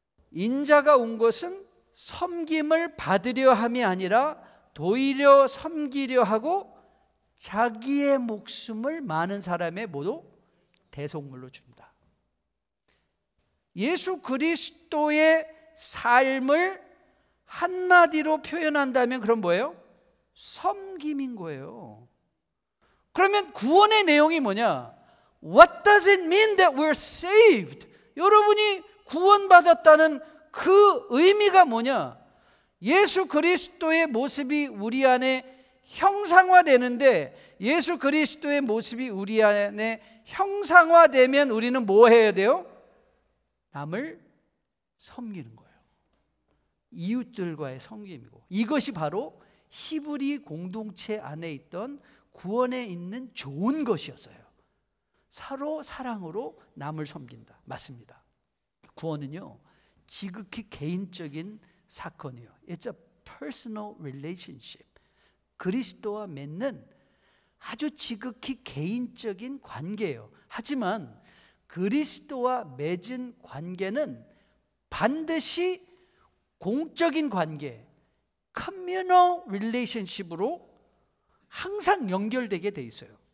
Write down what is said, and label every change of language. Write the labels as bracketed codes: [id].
[ko] 인자가 온 것은 섬김을 받으려 함이 아니라 도리어 섬기려 하고 자기의 목숨을 많은 사람의 모두 대속물로 준다. 예수 그리스도의 삶을 한마디로 표현한다면 그럼 뭐예요? 섬김인 거예요. 그러면 구원의 내용이 뭐냐? [en] What does it mean that we're saved? [ko] 여러분이 구원받았다는 그 의미가 뭐냐? 예수 그리스도의 모습이 우리 안에 형상화되는데, 예수 그리스도의 모습이 우리 안에 형상화되면 우리는 뭐 해야 돼요? 남을 섬기는 거예요. 이웃들과의 섬김이고, 이것이 바로 히브리 공동체 안에 있던 구원에 있는 좋은 것이었어요. 서로 사랑으로 남을 섬긴다. 맞습니다. 구원은요, 지극히 개인적인 사건이에요. [en] It's a personal relationship. [ko] 그리스도와 맺는 아주 지극히 개인적인 관계예요. 하지만 그리스도와 맺은 관계는 반드시 공적인 관계, [en] communal relationship [ko] 으로 항상 연결되게 돼 있어요.